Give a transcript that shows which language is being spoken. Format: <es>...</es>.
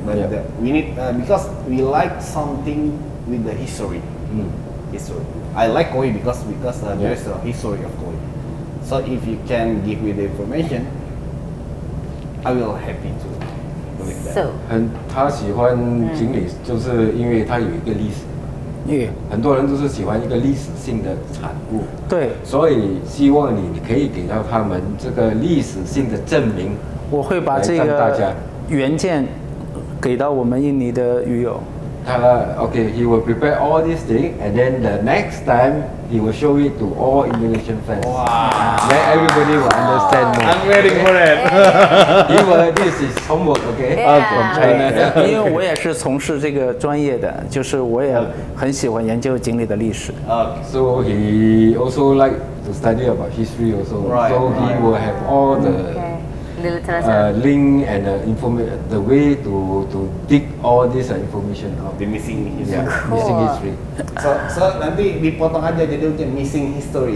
<en>But we need because we like something with the history. History. I like koi because there is a history of koi. So if you can give me the information, I will happy to believe that. So.</en> <zh>他喜欢锦鲤，就是因为他有一个历史。很多人都是喜欢一个历史性的产物，对，所以希望你可以给到他们这个历史性的证明。我会把这个原件给到我们印尼的鱼友。</zh> <en>他 okay, he will prepare all these things, and then the next time he will show it to all Indonesian fans. Wow, then everybody will understand more. I'm waiting for it. He will, this is homework, okay? From China.</en> <zh>因为我也是从事这个专业的，就是我也很喜欢研究锦鲤的历史。</zh> <en>So he also like to study about history also. Right. So he will have all the link and information, the way to dig all this information out. The missing history. Yeah, cool. Missing history.</en> <id>So nanti dipotong aja jadi untuk</id> <en>missing history.</en>